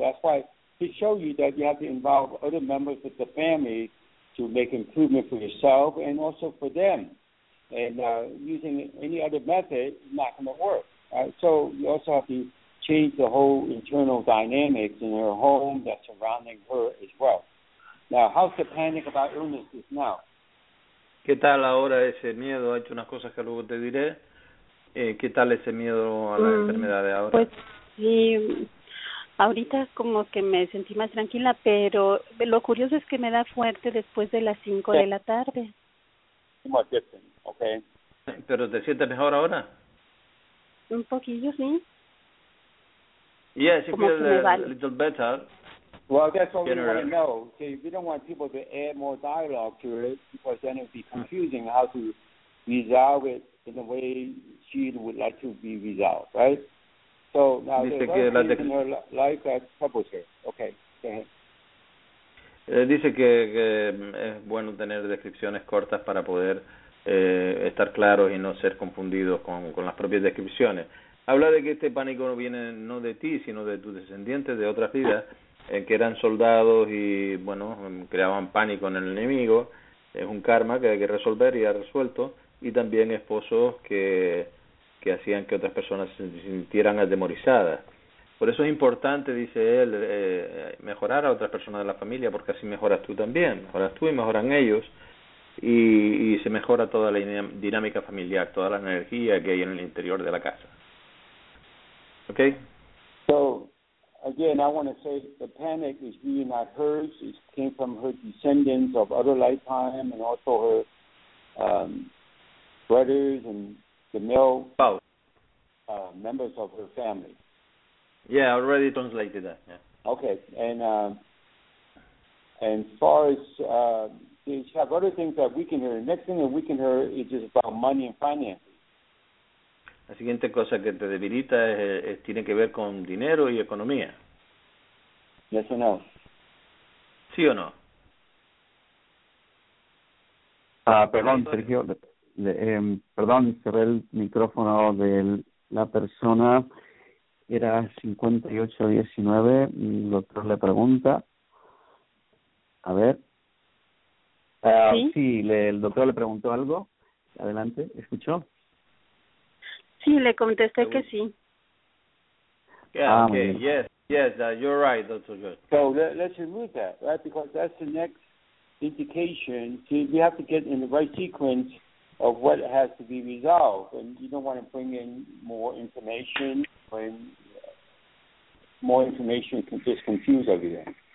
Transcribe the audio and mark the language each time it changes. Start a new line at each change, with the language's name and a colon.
English: That's why he showed you that you have to involve other members of the family to make improvement for yourself and also for them. and using any other method is not going to work. Right? So you also have to change the whole internal dynamics in her home that's surrounding her as well. Now, how's the panic about illnesses now?
Spanish: ¿Qué tal ahora ese miedo? Ha hecho unas cosas que luego te diré. ¿Qué tal ese miedo a la enfermedad de ahora? Pues sí, ahorita como que me sentí más tranquila, pero lo curioso es que me da fuerte después de las 5 de la tarde.
English: Okay.
Spanish: ¿Pero te sientes mejor ahora? Un poquillo, sí.
English: Yeah, she feels a little better. Well, that's all we want to know. So we don't want people to add more dialogue to it because then it would be confusing how to resolve it in the way she would like to be resolved, right? So now
Spanish: dice
English: there's one thing in her life that troubles her. Okay, go ahead.
Spanish: Dice que es bueno tener descripciones cortas para poder estar claros y no ser confundidos con las propias descripciones. Habla de que este pánico no viene no de ti, sino de tus descendientes de otras vidas, que eran soldados y, bueno, creaban pánico en el enemigo. Es un karma que hay que resolver y ha resuelto. Y también esposos que hacían que otras personas se sintieran atemorizadas. Por eso es importante, dice él, mejorar a otras personas de la familia, porque así mejoras tú también, mejoras tú y mejoran ellos, y se mejora toda la dinámica familiar, toda la energía que hay en el interior de la casa.
English: Okay. So, again, I want to say the panic is really not hers. It came from her descendants of other lifetime and also her brothers and the male members of her family. Yeah, I already translated that, yeah. Okay, and as far as, they have other things that weaken her. The next thing that weaken her is just about money and finances.
Spanish: La siguiente cosa que te debilita es tiene que ver con dinero y economía.
English: Yes or no?
Spanish: Sí o no? Perdón, Sergio. Perdón, cerré el micrófono de la persona. Era 58-19, el doctor le pregunta, a ver, ¿sí? Sí, el doctor le preguntó algo, adelante, ¿escuchó? Sí, le contesté que sí.
English: Yeah, okay, yes, yes, you're right, doctor. So let's remove that, right, because that's the next indication. See, we have to get in the right sequence of what has to be resolved, and you don't want to bring in more information when more information can just confuse everything.